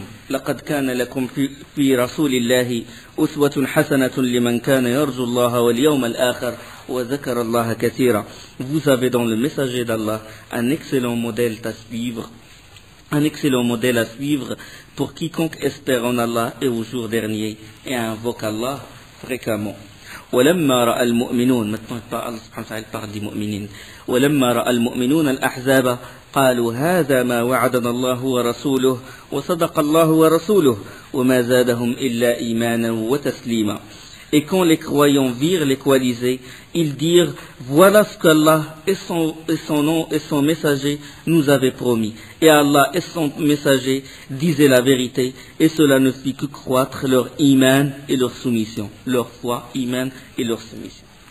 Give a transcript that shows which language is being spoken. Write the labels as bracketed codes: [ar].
[ar] لقد كان لكم في رسول الله أسوة حسنة لمن كان يرجو الله واليوم الآخر وذكر الله كثيرا. [fr] Vous avez dans le messager d'Allah un excellent modèle à suivre, un excellent modèle à suivre pour quiconque espère en Allah et au jour dernier et invoque Allah fréquemment. [ar] ولما رأى المؤمنون [fr] maintenant Allah [ar] سبحانه وتعالى [fr] parle des [ar] مؤمنين. ولما رأى المؤمنون الأحزاب قالوا هذا ما وعدنا الله ورسوله وصدق الله ورسوله وما زادهم إلا إيمانا وتسليما. [fr] Et quand les croyants virent les coalisés, ils dirent, voilà ce qu'Allah et son messager nous avaient promis. Et Allah et son messager disaient la vérité, et cela ne fit que croître leur iman et leur soumission, leur foi, iman et leur soumission.